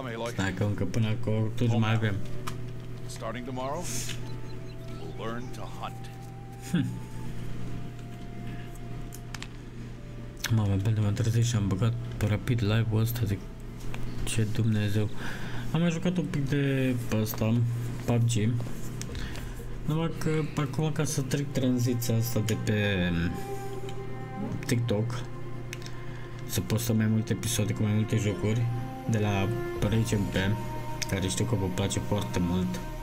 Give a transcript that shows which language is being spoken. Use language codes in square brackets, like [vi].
[ro] Stai că încă până acolo tot mai avem. [en] Starting tomorrow, we'll learn to hunt. [ro] Mamă, pentru m-am trezit și am băgat pe rapid live-ul ăsta, zic, ce Dumnezeu. Am mai jucat un pic de ăsta, PUBG. Numai că acum ca să trec tranziția asta de pe TikTok, să postăm mai multe episoade cu mai multe jocuri de la RGMP, care știu că vă place foarte mult.